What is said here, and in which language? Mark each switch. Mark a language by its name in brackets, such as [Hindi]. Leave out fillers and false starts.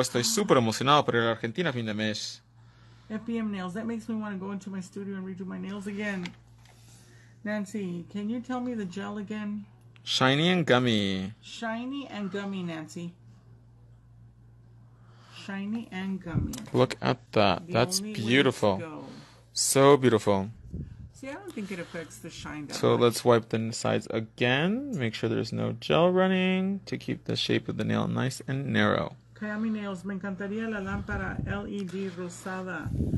[Spanish] Estoy super emocionado por ir a Argentina a fin de mes. [English] FBM Nails, that makes me want to go into my studio and redo my nails again. Nancy, can you tell me the gel again? Shiny and gummy. Shiny and gummy, Nancy. Shiny and gummy. Look at that. That's beautiful. So beautiful. See, I don't think it affects the shine that much. So let's wipe the sides again. Make sure there's no gel running to keep the shape of the nail nice and narrow. [Spanish] Kayami Nails, me encantaría la lámpara LED rosada.